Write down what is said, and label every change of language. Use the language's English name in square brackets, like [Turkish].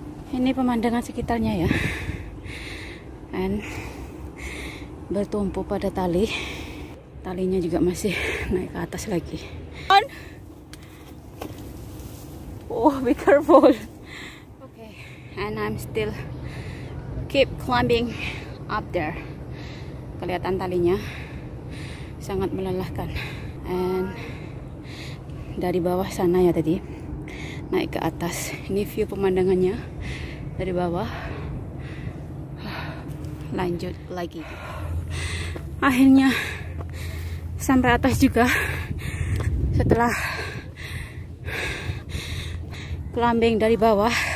[Indonesian] Ini pemandangan sekitarnya ya, and bertumpu pada tali. Talinya juga masih naik ke atas lagi. [English] On. Oh, be careful. Okay, and I'm still keep climbing up there. [Indonesian] Kelihatan talinya sangat melelahkan. And dari bawah sana ya tadi naik ke atas. Ini view pemandangannya dari bawah. Lanjut lagi. Akhirnya sampai atas juga setelah climbing dari bawah.